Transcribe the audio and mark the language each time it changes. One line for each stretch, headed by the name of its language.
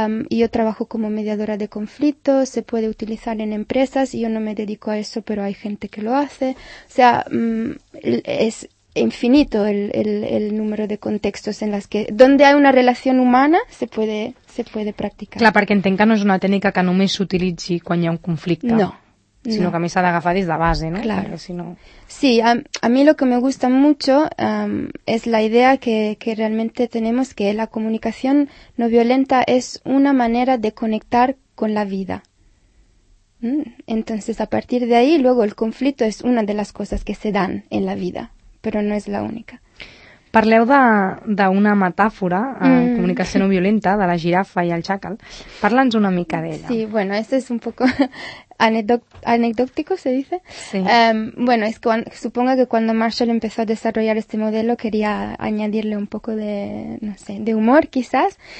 Spanish: Y yo trabajo como mediadora de conflictos, se puede utilizar en empresas, yo no me dedico a eso, pero hay gente que lo hace. O sea, es infinito el número de contextos en las que donde hay una relación humana se puede practicar.
Catalan: Clar, perquè entenc que no és una tècnica que només s'utilitzi quan hi ha un conflicte.
Spanish: No. Sino no. Que a mí se ha de agafar desde la base, ¿no? Claro. Si no... Sí, a mí lo que me gusta mucho es la idea que realmente tenemos que la comunicación no violenta es una manera de conectar con la vida. Entonces, a partir de ahí, luego el conflicto es una de las cosas que se dan en la vida, pero no es la única.
Catalan: Parleu d'una metàfora en comunicació no violenta, de la girafa i el xacal. Parla'ns una mica d'ella.
Spanish: Sí, bueno, esto es un poco anecdótico, se dice. Sí. Bueno, es que supongo que cuando Marshall empezó a desarrollar este modelo quería añadirle un poco de, no sé, de humor quizás.